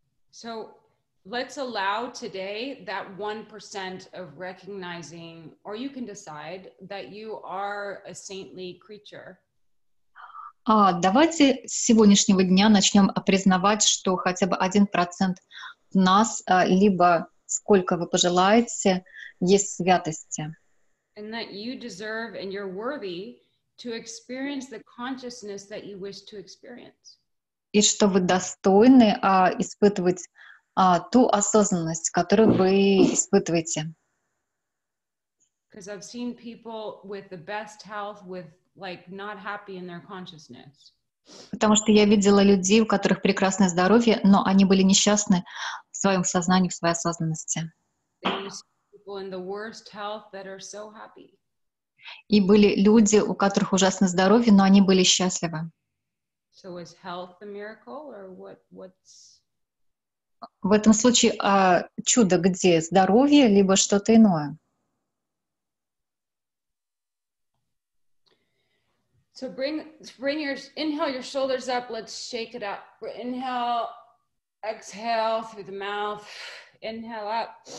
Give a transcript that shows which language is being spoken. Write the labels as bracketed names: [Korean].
[English] So let's allow today that 1% of recognizing, or you can decide, that you are a saintly creature. [Russian] Давайте с сегодняшнего дня начнем признавать, что хотя бы 1% в нас, либо сколько вы пожелаете, есть святости. [English] And that you deserve and you're worthy to experience the consciousness that you wish to experience. [Russian] И что вы достойны испытывать ту осознанность, которую вы испытываете. [English] Because I've seen people with the best health with like not happy in their consciousness. [Russian] Потому что я видела людей, у которых прекрасное здоровье, но они были несчастны в своем сознании, в своей осознанности. [English] People in the worst health that are so happy. [Russian] И были люди, у которых ужасное здоровье, но они были счастливы. [English] So is health a miracle or what's... [Russian] В этом случае чудо где? Здоровье либо что-то иное? [English] So bring your inhale your shoulders up, let's shake it up. Inhale, exhale through the mouth. Inhale up.